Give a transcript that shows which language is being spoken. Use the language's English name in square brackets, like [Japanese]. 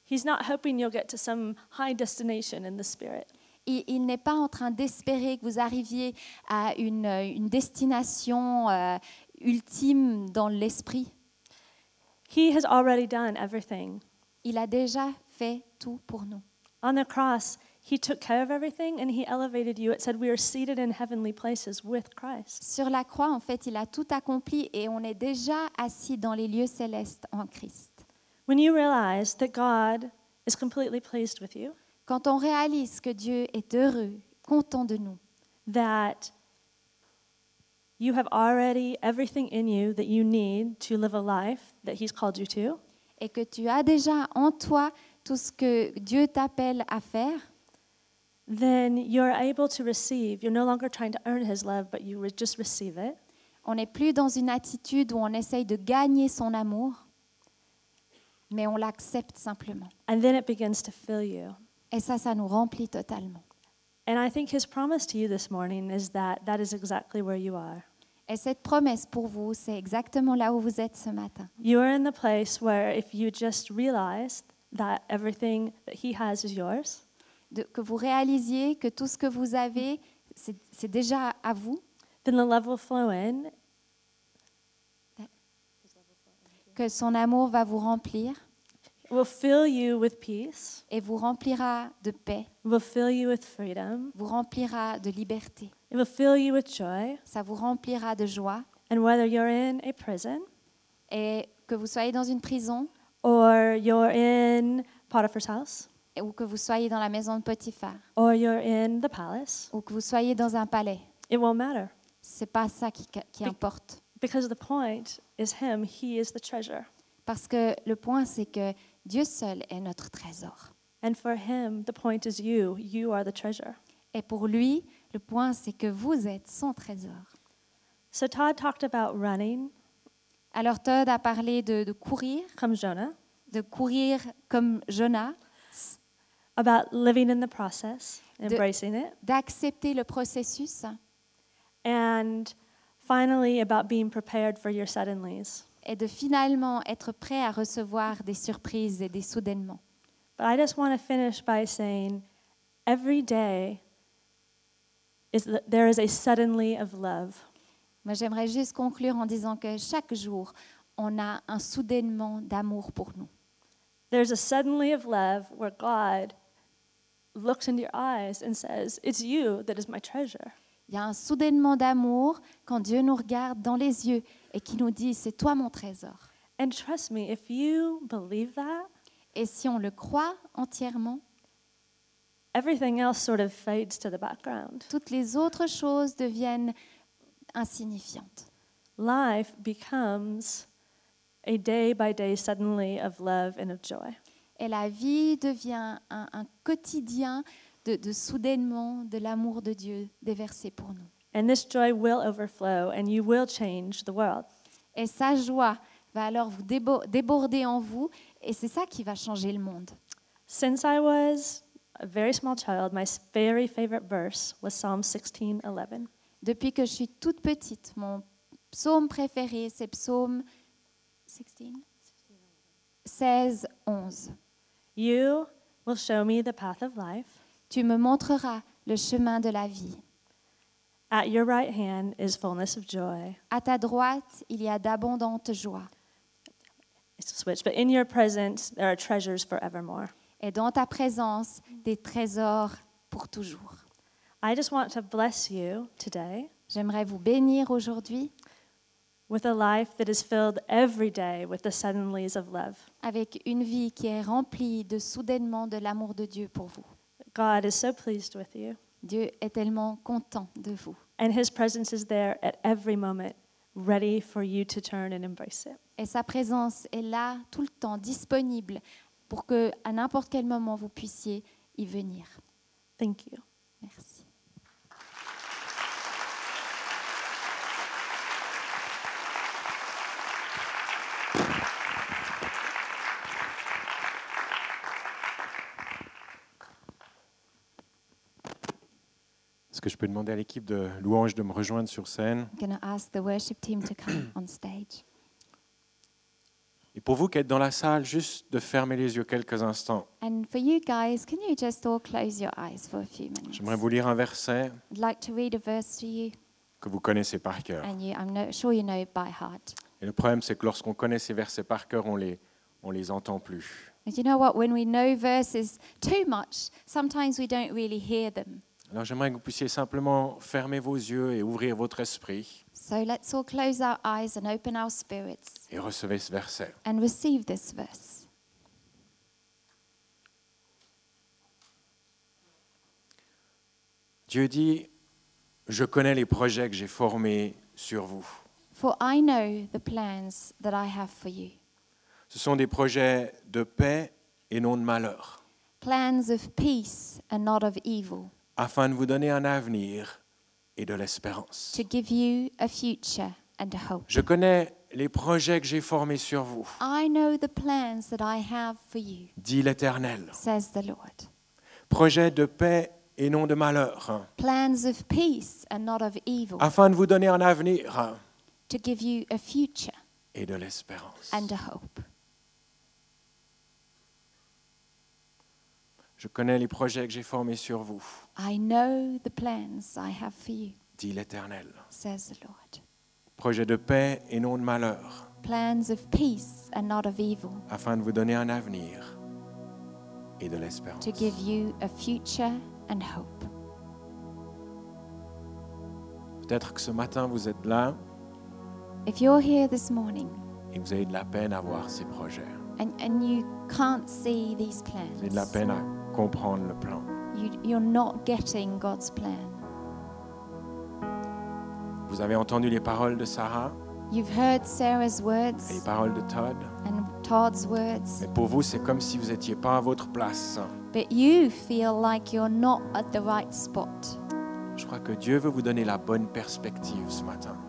[English] He's not hoping you'll get to some high destination in the spirit. [French] Il n'est pas en train d'espérer que vous arriviez à une destination ultime dans l'esprit. [English] He has already done everything. [French] Il a déjà fait tout pour nous. [English] On the cross, he took care of everything and he elevated you. It said we are seated in heavenly places with Christ. [French] Sur la croix, en fait, il a tout accompli et on est déjà assis dans les lieux célestes en Christ. [English] When you realize that God is completely pleased with you, [French] quand on réalise que Dieu est heureux, content de nous, [English] that you have already everything in you that you need to live a life that he's called you to, [French] et que tu as déjà en toi tout ce que Dieu t'appelle à faire, [English] then you're able to receive. You're no longer trying to earn his love, but you just receive it. [French] On n'est plus dans une attitude où on essaye de gagner son amour, mais on l'accepte simplement. [English] And then it begins to fill you. [French] Et ça, ça nous remplit totalement. [English] And I think his promise to you this morning is that that is exactly where you are. [French] Et cette promesse pour vous, c'est exactement là où vous êtes ce matin. [English] You are in the place where if you just realized that everything that he has is yours, [French] que vous réalisiez que tout ce que vous avez, c'est déjà à vous, [English] then the love will flow in. [French] Que son amour va vous remplir. [English] It will fill you with peace. [French] Et vous remplira de paix. [English] It will fill you with freedom. [French] Vous remplira de liberté. [English] It will fill you with joy. [French] Ça vous remplira de joie. [English] And whether you're in a prison, [French] et que vous soyez dans une prison, [English] or you're in Potiphar's house, [French] ou que vous soyez dans la maison de Potiphar, [English] or you're in the palace, [French] ou que vous soyez dans un palais, [English] it won't matter. [French] C'est pas ça qui importe. [English] Because the point is him, he is the treasure. [French] Parce que le point c'est que Dieu seul est notre trésor. [English] And for him, the point is you. You are the treasure. [French] Et pour lui, le point c'est que vous êtes son trésor. [English] So Todd talked about running. [French] Alors Todd a parlé de courir. Comme Jonah. De courir comme Jonah. [English] About living in the process, embracing it. [French] D'accepter le processus. [English] And finally, about being prepared for your suddenlies. [French] Et de finalement être prêt à recevoir des surprises et des soudainements. [English] But I just want to finish by saying, every day, there is a suddenly of love. [French] Moi, j'aimerais juste conclure en disant que chaque jour, on a un soudainement d'amour pour nous. [English] There's a suddenly of love where God looks into your eyes and says, "It's you that is my treasure." [French] Il y a un soudainement d'amour quand Dieu nous regarde dans les yeux et qui nous dit, "C'est toi mon trésor." [English] And trust me, if you believe that, [French] et si on le croit entièrement, [English] everything else sort of fades to the background. [French] Toutes les autres choses deviennent insignifiantes. [English] Life becomes a day by day suddenly of love and of joy. [French] Et la vie devient un quotidien de soudainement de l'amour de Dieu déversé pour nous. [English] And this joy will overflow and you will change the world. [French] Et sa joie va alors vous déborder en vous et c'est ça qui va changer le monde. [English] Since I was a very small child, my very favorite verse was Psalm 16:11. [French] Depuis que je suis toute petite, mon psaume préféré c'est psaume 16:11. [English] You will show me the path of life. [French] Tu me montreras le chemin de la vie. [English] At your right hand is fullness of joy. [French] À ta droite, il y a d'abondante joie. [English] It's a switch, but in your presence there are treasures forevermore. [French] Et dans ta présence, des trésors pour toujours. [English] I just want to bless you today. [French] J'aimerais vous bénir aujourd'hui. [English] With a life that is filled every day with the suddenlies of love. [French] Avec une vie qui est remplie de soudainement de l'amour de Dieu pour vous. [English] God is so pleased with you. [French] Dieu est tellement content de vous. [English] And his presence is there at every moment, ready for you to turn and embrace it. [French] Et sa présence est là tout le temps, disponible pour que à n'importe quel moment vous puissiez y venir. [English] Thank you. [French] Merci. Que je peux demander à l'équipe de louange de me rejoindre sur scène. [English] I'm gonna ask the worship team to come on stage. [French] Et pour vous qui êtes dans la salle, juste de fermer les yeux quelques instants. [English] And for you guys, can you just all close your eyes for a few minutes? [French] J'aimerais vous lire un verset. [English] I'd like to read a verse to you. [French] Que vous connaissez par cœur. [English] And you, I'm not sure you know it by heart. [French] Et le problème, c'est que lorsqu'on connaît ces versets par cœur, on les entend plus. [English] And you know what? When we know verses too much, sometimes we don't really hear them. [French] Alors j'aimerais que vous puissiez simplement fermer vos yeux et ouvrir votre esprit. [English] So let's all close our eyes and open our spirits. [French] Et recevez ce verset. [English] And receive this verse. [French] Dieu dit, je connais les projets que j'ai formés sur vous. [English] For I know the plans that I have for you. [French] Ce sont des projets de paix et non de malheur. [English] Plans of peace and not of evil. [French] Afin de vous donner un avenir et de l'espérance. [English] To give you a future and a hope. [French] Je connais les projets que j'ai formés sur vous. [English] I know the plans that I have for you. [French] Dit l'Éternel. [English] Says the Lord. [French] Projets de paix et non de malheur. [English] Plans of peace and not of evil. [French] Afin de vous donner un avenir. [English] To give you a future. [French] Et de l'espérance. [English] And a hope. [French] Je connais les projets que j'ai formés sur vous. [English] I know the plans I have for you. [French] Dit l'Éternel. [English] Says the Lord. [French] Projets de paix et non de malheur. [English] Plans of peace and not of evil. [French] Afin de vous donner un avenir et de l'espérance. [English] To give you a future and hope. [French] Peut-être que ce matin vous êtes là. [English] If you're here this morning. [French] Et vous avez de la peine à voir ces projets. [English] And you can't see these plans. [French] Vous avez de la peine à comprendre le plan. [English] You're not getting God's plan. [French] Vous avez entendu les paroles de Sarah. [English] You've heard Sarah's words. [French] Et les paroles de Todd. [English] And Todd's words. [French] Mais pour vous, c'est comme si vous n'étiez pas à votre place. [English] But you feel like you're not at the right spot. [French] Je crois que Dieu veut vous donner la bonne perspective ce matin.